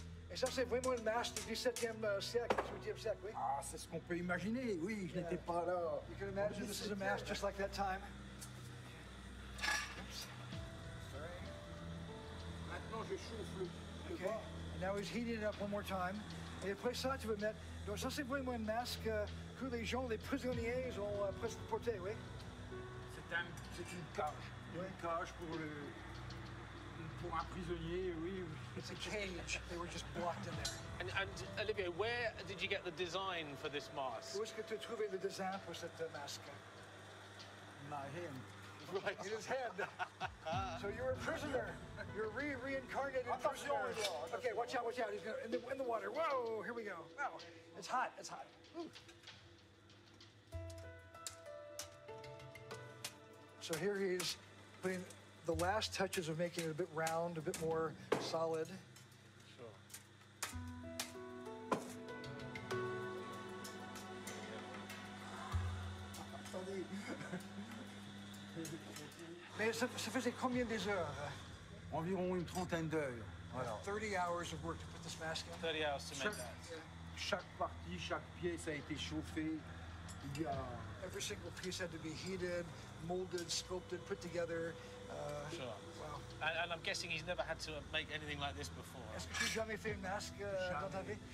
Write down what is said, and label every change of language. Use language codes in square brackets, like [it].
[fr] Et ça, c'est vraiment une masque du 17e siècle, 18e siècle, oui? Ah, c'est ce qu'on peut imaginer, oui, je n'étais pas là. [en] You can imagine this is a mask just like that time. Oops. Sorry. [fr] Maintenant, je chauffe le. [en] Okay. And now he's heating it up one more time. [fr] Et après ça, tu veux mettre. Donc, ça, c'est vraiment une masque que les gens, les prisonniers, ont presque porté, oui? C'est une cage. Oui. Une cage pour le. Pour un prisonnier, oui. [en] It's a cage. They were just blocked in there. And Olivier, where did you get the design for this mask? [fr] Où est-ce que tu as trouvé le design pour cette masque? [en] My head. Right. In his head. So you're a prisoner. You're reincarnated in prison. Okay, watch out, watch out. He's gonna, in the water. Whoa, here we go. Wow. It's hot. Ooh. So here he is putting the last touches of making it a bit round, a bit more solid. Sure. [fr] Mais ça faisait combien des heures? Environ une trentaine d'heures. Voilà. [en] 30 hours of work to put this mask on. 30 hours to make that. [fr] Chaque partie, chaque pièce a été chauffée. Yeah. [en] Every single piece had to be heated, molded, sculpted, put together. Sure. Wow. And I'm guessing he's never had to make anything like this before. [fr] Est-ce que tu as jamais fait une masque dans ta vie?